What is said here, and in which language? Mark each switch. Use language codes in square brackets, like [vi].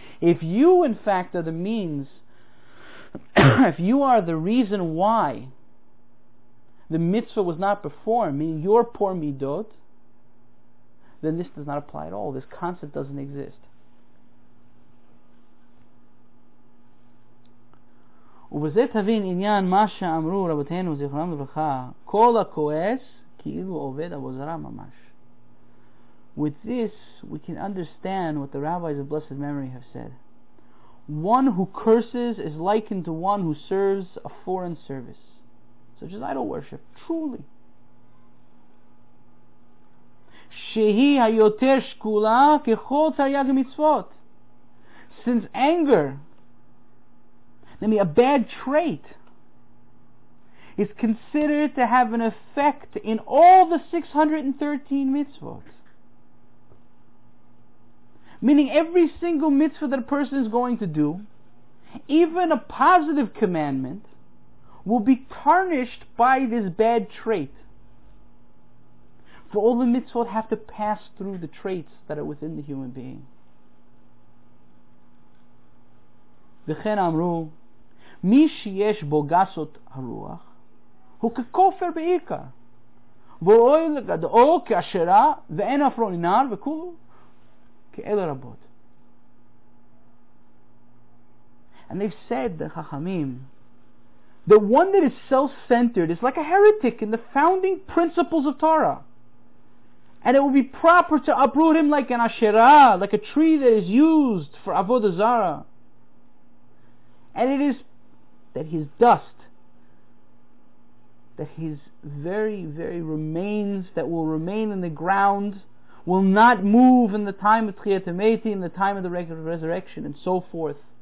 [en] If you in fact are the means, if you are the reason why the mitzvah was not performed, meaning your poor midot, then this does not apply at all. This concept doesn't exist. [he] ובזה תבין עניין מה שאמרו רבותינו זכרם לברכה, כל הכועס כאילו עובד עבוזרה ממש. [en] With this, we can understand what the rabbis of blessed memory have said. One who curses is likened to one who serves a foreign service, such as idol worship, truly. [he] שהיא היותר שקולה ככל תרי"ג מצוות. [en] Since anger, I mean a bad trait, is considered to have an effect in all the 613 mitzvot, meaning every single mitzvah that a person is going to do, even a positive commandment, will be tarnished by this bad trait. For all the mitzvot have to pass through the traits that are within the human being. [he] V'chen amru, מי שיש בו גסות הרוח הוא ככופר בעיקר ורואי לגדעו כאשרה ואין אפרו נינר וכולו כאלה רבות. [en] And they've said, the Chachamim, the one that is self-centered is like a heretic in the founding principles of Torah, and it will be proper to uproot him like an asherah, like a tree that is used for avodah zarah, and it is that his dust, that his very, very remains that will remain in the ground, will not move in the time of Tchiyat HaMeitim, in the time of the resurrection, and so forth.